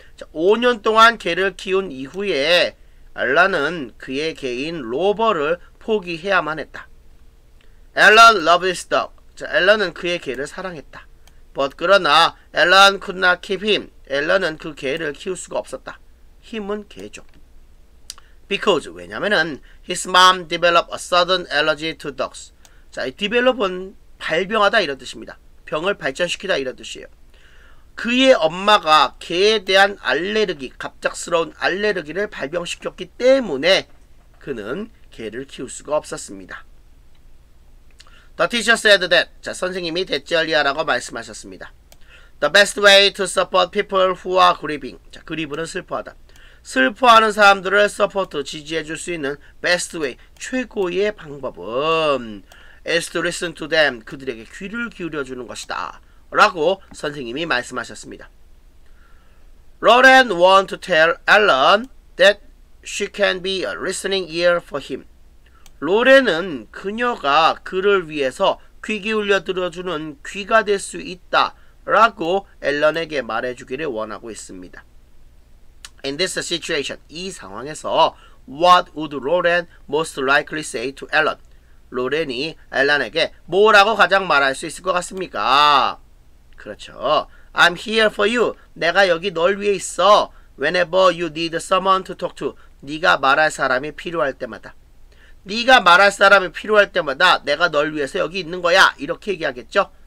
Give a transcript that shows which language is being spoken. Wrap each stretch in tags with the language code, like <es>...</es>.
<ko>자, 5년 동안 개를 키운 이후에 알란은 그의 개인 로버를 포기해야만 했다.</ko> <en>Alan loved his dog.</en> <ko>자, 앨런은 그의 개를 사랑했다.</ko> <en>But</en> <ko>그러나</ko> <en>앨런 could not keep him.</en> <ko>앨런은 그 개를 키울 수가 없었다. 힘은 개죠.</ko> <en>Because</en> <ko>왜냐면은</ko> <en>his mom developed a sudden allergy to dogs.</en> <ko>자, 이 develop은 발병하다 이런 뜻입니다. 병을 발전시키다 이런 뜻이에요. 그의 엄마가 개에 대한 알레르기, 갑작스러운 알레르기를 발병시켰기 때문에 그는 개를 키울 수가 없었습니다.</ko> <en>The teacher said that.</en> <ko>자, 선생님이 대절이야라고 말씀하셨습니다.</ko> <en>The best way to support people who are grieving.</en> <ko>자, 그리브는 슬퍼하다. 슬퍼하는 사람들을 서포트, 지지해 줄 수 있는 best way, 최고의 방법은</ko> <en>is to listen to them,</en> <ko>그들에게 귀를 기울여 주는 것이다. 라고 선생님이 말씀하셨습니다.</ko> <en>Lauren want to tell Alan that she can be a listening ear for him.</en> <ko>로렌은 그녀가 그를 위해서 귀 기울여 들어주는 귀가 될 수 있다 라고 앨런에게 말해주기를 원하고 있습니다.</ko> <en>In this situation,</en> <ko>이 상황에서</ko> <en>What would Lauren most likely say to Alan?</en> <ko>로렌이 앨런에게 뭐라고 가장 말할 수 있을 것 같습니까? 그렇죠.</ko> <en>I'm here for you.</en> <ko>내가 여기 널 위해 있어.</ko> <en>Whenever you need someone to talk to,</en> <ko>네가 말할 사람이 필요할 때마다. 네가 말할 사람이 필요할 때마다 내가 널 위해서 여기 있는 거야. 이렇게 얘기하겠죠.</ko>